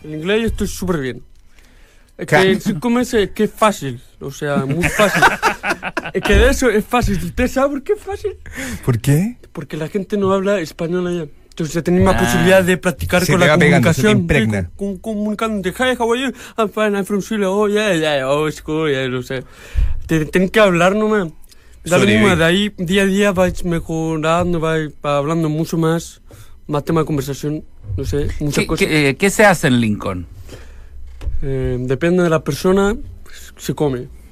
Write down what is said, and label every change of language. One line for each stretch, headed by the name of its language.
Spanish: El inglés, yo estoy súper bien. Es que en 5 meses, que es fácil. O sea, muy fácil. Es que de eso es fácil. ¿Usted sabe por qué es fácil? ¿Por qué? Porque la gente no habla español allá. Entonces ya tenéis más posibilidad de practicar con la comunicación. Se te va pegando, se te impregna. Comunicando.
English: Hi, how are you? I'm fine, I'm from Chile. Oh, yeah, oh, it's cool, yeah,
Spanish: no sé. Tienen que hablar nomás. Dale misma, de ahí día a día vais mejorando, vais hablando mucho más tema de conversación, no sé, muchas ¿Qué, cosas. ¿Qué se hace en Lincoln? Depende de la persona, pues, se come.